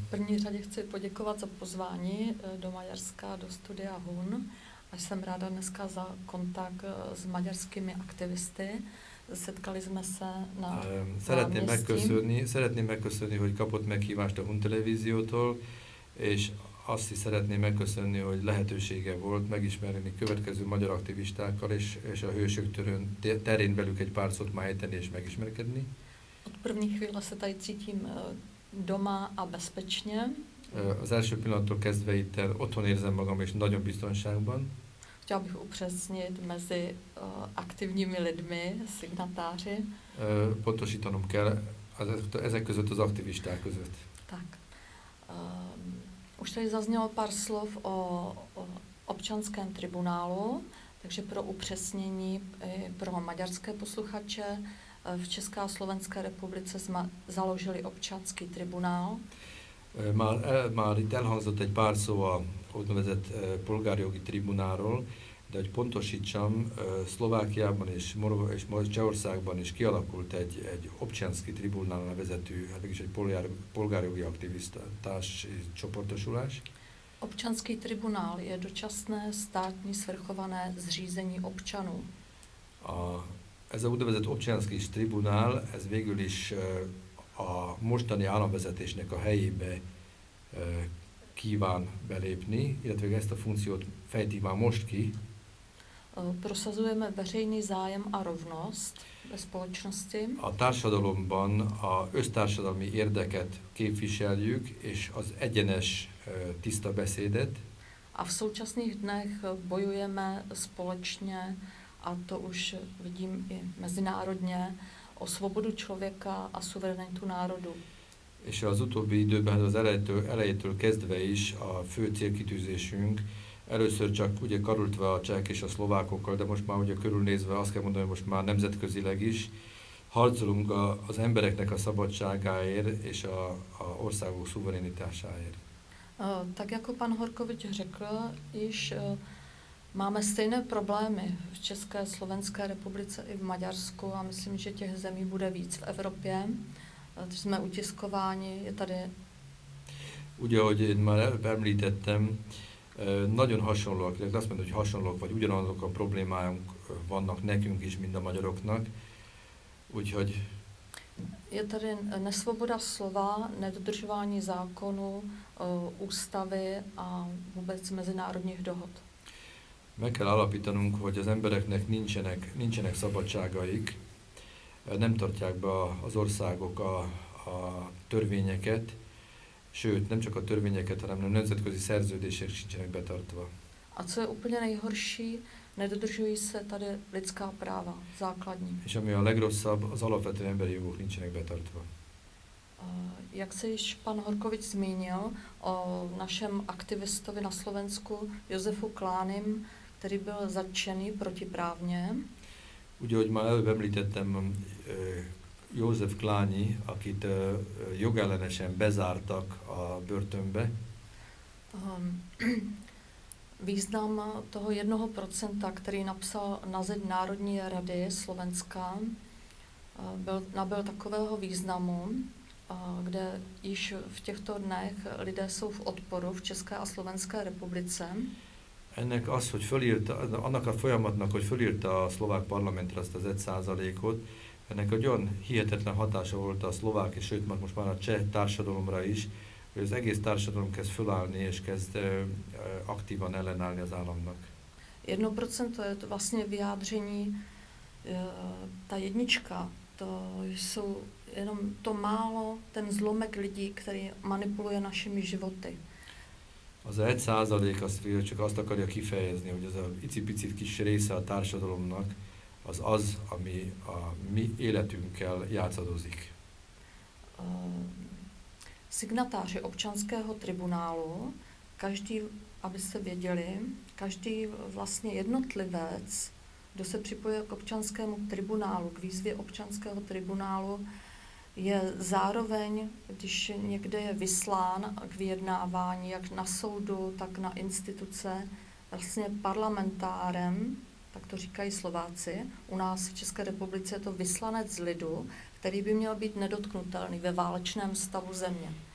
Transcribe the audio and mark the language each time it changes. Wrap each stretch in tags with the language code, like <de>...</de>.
<cs>V první řadě chci poděkovat za pozvání do Maďarska, do studia HUN. A jsem ráda dneska za kontakt s maďarskými aktivisty. Setkali jsme se na náměstí.</cs> <hu>Szeretném megköszönni, hogy kapott meghívást a HUN televíziótól, és azt is szeretném megköszönni, hogy lehetősége volt megismerni következő magyar aktivistákkal, és a Hősök terén velük egy pár szót már ejteni és megismerkedni.</hu> <cs>Od první chvíle se tady cítím doma a bezpečně.</cs> <hu>Az első pillanattól kezdve itt otthon érzem magam, és nagyon biztonságban.</hu> <cs>Chtěl bych upřesnit mezi aktivními lidmi, signatáři.</cs> <hu>Pontosítanom kell, ezek között az aktivisták között.</hu> <cs>Tak. Už tady zaznělo pár slov o občanském tribunálu, takže pro upřesnění pro maďarské posluchače. V České a Slovenské republice jsme založili občanský tribunál.</cs> <hu>Már itt elhangzott egy pár szó a úgynevezett polgárjogi tribunálról, de hogy pontosítsam, Szlovákiában és Csehországban is kialakult egy občanský tribunál nevezetű, mégis egy polgárjogi aktivistás csoportosulás.</hu> <cs>Občanský tribunál je dočasné státní svrchované zřízení občanů.</cs> <hu>Ez a úgynevezett občanský tribunál, ez végül is a mostani államvezetésnek a helyébe kíván belépni, illetve ezt a funkciót fejti már most ki.</hu> <cs>Prosazujeme veřejný zájem a rovnost ve společnosti.</cs> <hu>A társadalomban a össztársadalmi érdeket képviseljük, és az egyenes tiszta beszédet.</hu> <cs>A v současných dnech bojujeme společně, a to už vidím i mezinárodně, o svobodu člověka a suverenitu národu.</cs> <hu>És az utóbbi időben, az elejétől kezdve is a fő célkitűzésünk, először csak ugye karultva a csehk és a szlovákokkal, de most már ugye körülnézve azt kell mondani, hogy most már nemzetközileg is, harcolunk az embereknek a szabadságáért és a országok szuverenitásáért.</hu> <cs>Tak jako pan Horkovič řekl, is máme stejné problémy v České, Slovenské republice i v Maďarsku a myslím, že těch zemí bude víc v Evropě. Jsme utiskováni, je tady.</cs> <hu>Ugye, ahogy én már említettem, nagyon hasonlóak, de azt mondom, hogy hasonlóak, vagy ugyanazok a problémáink vannak nekünk is, mint a magyaroknak. Úgyhogy.</hu> <cs>Je tady nesvoboda slova, nedodržování zákonů, ústavy a vůbec mezinárodních dohod.</cs> <hu>Meg kell állapítanunk, hogy az embereknek nincsenek szabadságaik, nem tartják be az országok a törvényeket, sőt, nem csak a törvényeket, hanem a nemzetközi szerződések sincsenek betartva.</hu> <cs>A co je úplně nejhorší, nedodržují se tady lidská práva, základní.</cs> <hu>És ami a legrosszabb, az alapvető emberi jogok nincsenek betartva.</hu> <cs>Jak se již pan Horkovič zmínil o našem aktivistovi na Slovensku, Josefu Klánim, který byl zatčený protiprávně.</cs> <hu>Ugye, hogy már előbb említettem, József Klányi, akit jogellenesen bezártak a börtönbe.</hu> <cs>Význam toho 1%, který napsal na zeď Národní rady Slovenska, nabyl takového významu, kde již v těchto dnech lidé jsou v odporu v České a Slovenské republice.</cs> <hu>Ennek az, hogy fölírta, annak a folyamatnak, hogy fölírta a szlovák parlamentre azt az 1%-ot, ennek egy olyan hihetetlen hatása volt a szlovák, és sőt, most már a cseh társadalomra is, hogy az egész társadalom kezd fölállni, és kezd aktívan ellenállni az államnak.</hu> <cs>1% to je to vlastně vyjádření, ta jednička, to jsou jenom to málo, ten zlomek lidí, který manipuluje našimi životy.</cs> <hu>Az 1% azt csak azt akarja kifejezni, hogy az a icipicit kis része a társadalomnak az az, ami a mi életünkkel játszadozik.</hu> <cs>signatáři občanského tribunálu, každý, abyste věděli, každý vlastně jednotlivec, kdo se připojuje k občanskému tribunálu, k výzvě občanského tribunálu, je zároveň, když někde je vyslán k vyjednávání, jak na soudu, tak na instituce, vlastně parlamentárem, tak to říkají Slováci, u nás v České republice je to vyslanec z lidu, který by měl být nedotknutelný ve válečném stavu země.</cs>